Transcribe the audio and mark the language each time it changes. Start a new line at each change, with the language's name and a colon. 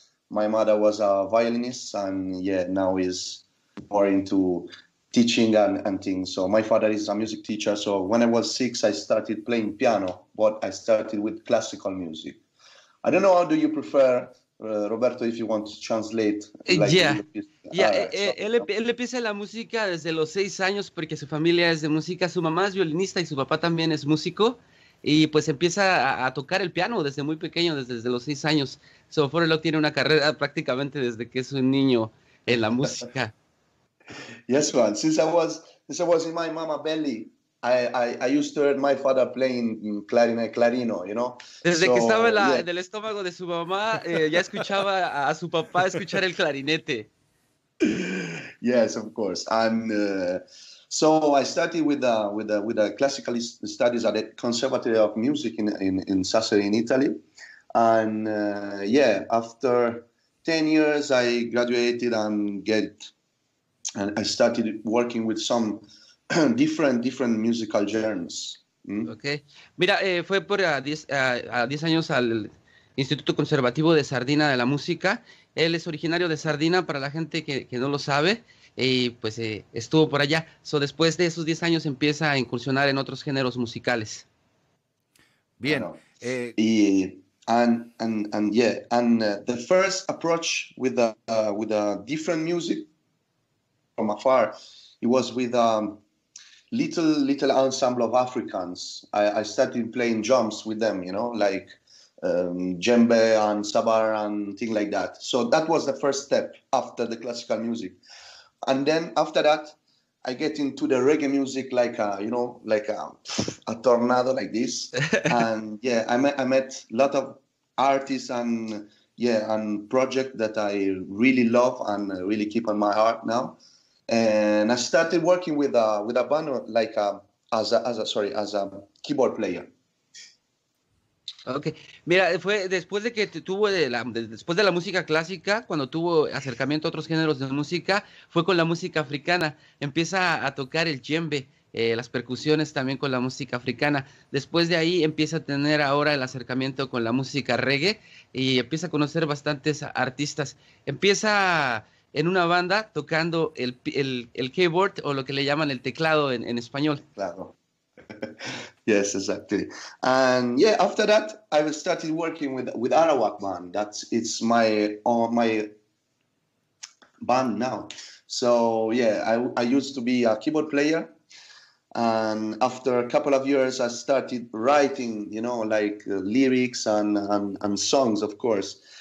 English: My mother was a violinist, and yeah, now he's more into teaching and things. So my father is a music teacher. So when I was six, I started playing piano, but I started with classical music. I don't know, how do you prefer, Roberto, if you want to translate?
Spanish: Él empieza la música desde los 6 años porque su familia es de música. Su mamá es violinista y su papá también es músico. Y pues empieza a tocar el piano desde muy pequeño, desde los 6 años. So Forelock tiene una carrera prácticamente desde que es un niño en la música.
English: Yes, man. Since I was in my mama belly, I used to hear my father playing clarino, you know.
Spanish: Desde que estaba en el estómago de su mamá, ya escuchaba a su papá escuchar el clarinete.
English: Yes, of course. And So I studied with a classical studies at the Conservatory of Music in Sassari in Italy, and yeah, after 10 years I graduated and I started working with some different musical genres. Okay.
Spanish: Mira, fue por a 10 años al Instituto Conservativo de Sardina de la Música. Él es originario de Sardina, para la gente que no lo sabe, y pues estuvo por allá. So, después de esos 10 años empieza a incursionar en otros géneros musicales. Bien. Bueno,
English: the first approach with a different music from afar, it was with little ensemble of Africans. I started playing drums with them, you know, like djembe and sabar and thing like that. So that was the first step after the classical music. And then after that, I get into the reggae music, like a tornado like this. And yeah, I met a lot of artists and project that I really love and really keep on my heart now. And I started working with a band like as a keyboard player.
Spanish: Okay, mira, fue después de que tuvo después de la música clásica, cuando tuvo acercamiento a otros géneros de música, fue con la música africana. Empieza a tocar el djembe, las percusiones también con la música africana. Después de ahí empieza a tener ahora el acercamiento con la música reggae y empieza a conocer bastantes artistas. Empieza en una banda tocando el keyboard, o lo que le llaman el teclado en español. Claro.
English: Yes, exactly. And yeah, after that, I started working with Arawak band. It's my my band now. So yeah, I used to be a keyboard player. And after a couple of years, I started writing, you know, like lyrics and songs, of course.